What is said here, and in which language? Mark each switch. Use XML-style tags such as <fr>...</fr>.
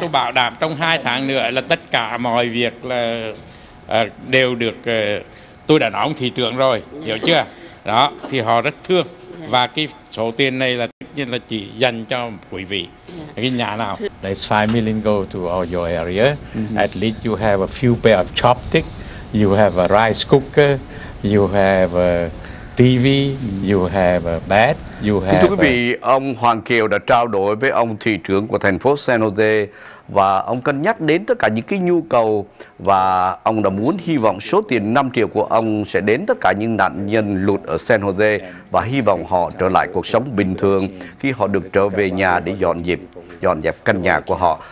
<vi>Tôi bảo đảm trong 2 tháng nữa là tất cả mọi việc là đều được tôi đã nói ông thị trưởng rồi, dạ. Hiểu chưa? Đó, thì họ rất thương. Dạ. Và cái số tiền này là tất nhiên là chỉ dành cho quý vị. Cái nhà nào?</vi> <en>There's 5 million go to all your area. Mm-hmm. At least you have a few pair of chopsticks, you have a rice cooker, you have a TV, you have a bed, you have.</en> <vi>Thưa quý vị, ông Hoàng Kiều đã trao đổi với ông thị trưởng của thành phố San Jose và ông cân nhắc đến tất cả những cái nhu cầu và ông đã muốn hy vọng số tiền 5 triệu của ông sẽ đến tất cả những nạn nhân lụt ở San Jose và hy vọng họ trở lại cuộc sống bình thường khi họ được trở về nhà để dọn dẹp căn nhà của họ.</vi>